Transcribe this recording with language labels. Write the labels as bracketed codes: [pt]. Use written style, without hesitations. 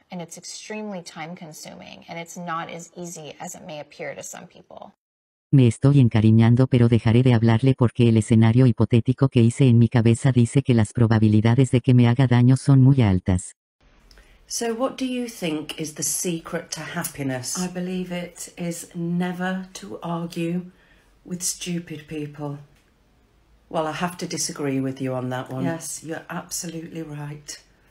[en] And it's extremely time consuming, and it's not as easy as it may appear to some people. [es] Me estoy encariñando, pero dejaré de hablarle porque el escenario hipotético que hice en mi cabeza dice que las probabilidades de que me haga daño son muy altas. [en] So what do you think is the secret to happiness? I believe it is never to argue with stupid people. Well, I have to disagree with you on that one. Yes, you're absolutely right.